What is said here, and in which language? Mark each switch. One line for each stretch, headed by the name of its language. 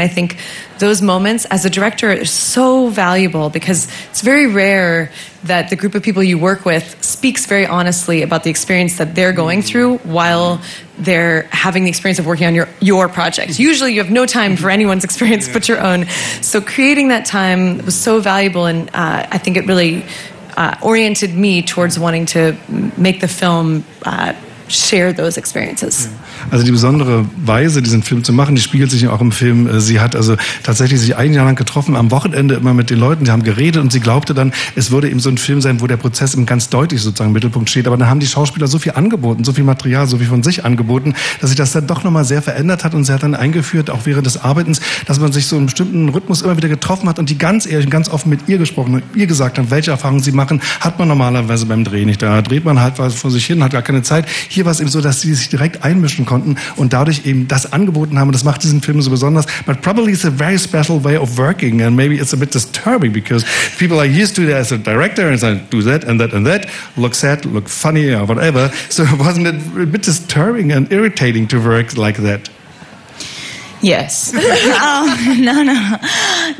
English: And I think those moments as a director are so valuable, because it's very rare that the group of people you work with speaks very honestly about the experience that they're going through while they're having the experience of working on your project. Usually you have no time for anyone's experience but your own. So creating that time was so valuable, and I think it really oriented me towards wanting to make the film share those experiences.
German: Also die besondere Weise, diesen Film zu machen, die spiegelt sich auch im Film. Sie hat also tatsächlich sich ein Jahr lang getroffen, am Wochenende immer mit den Leuten, die haben geredet, und sie glaubte dann, es würde eben so ein Film sein, wo der Prozess eben ganz deutlich sozusagen im Mittelpunkt steht. Aber dann haben die Schauspieler so viel angeboten, so viel Material, so viel von sich angeboten, dass sich das dann doch nochmal sehr verändert hat, und sie hat dann eingeführt, auch während des Arbeitens, dass man sich so einen bestimmten Rhythmus immer wieder getroffen hat und die ganz ehrlich und ganz offen mit ihr gesprochen und ihr gesagt haben, welche Erfahrungen sie machen, hat man normalerweise beim Dreh nicht. Da dreht man halt was vor sich hin, hat gar keine Zeit. Hier war es eben so, dass sie sich direkt einmischen konnten und dadurch eben das angeboten haben. Und das macht diesen Film so besonders.
English: But probably it's a very special way of working, and maybe it's a bit disturbing, because people are used to that as a director and say, do that and that and that, look sad, look funny or whatever. So wasn't it a bit disturbing and irritating to work like that? Yes. No.